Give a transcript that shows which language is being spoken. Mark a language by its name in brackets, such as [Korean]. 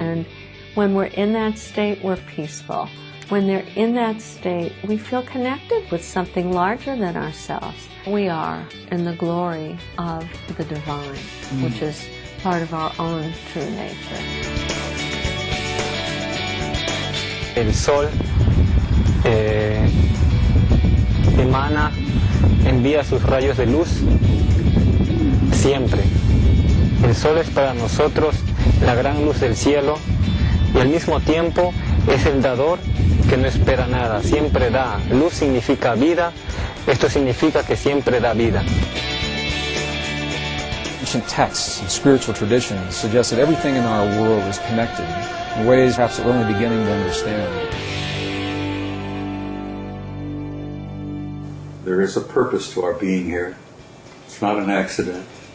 [English] And when we're in that state, we're peaceful. When they're in that state, we feel connected with something larger than ourselves. We are in the glory of the divine, which is part of our own true nature. [Spanish] El sol emana, envía sus rayos de luz siempre. El sol es para nosotros la gran luz del cielo y al mismo tiempo es el dador que no espera nada, siempre da. Luz significa vida, esto significa que siempre da vida. [English] Ancient texts and spiritual traditions suggest that everything in our world is connected in ways perhaps we're only beginning to understand. There is a purpose to our being here. It's not an accident.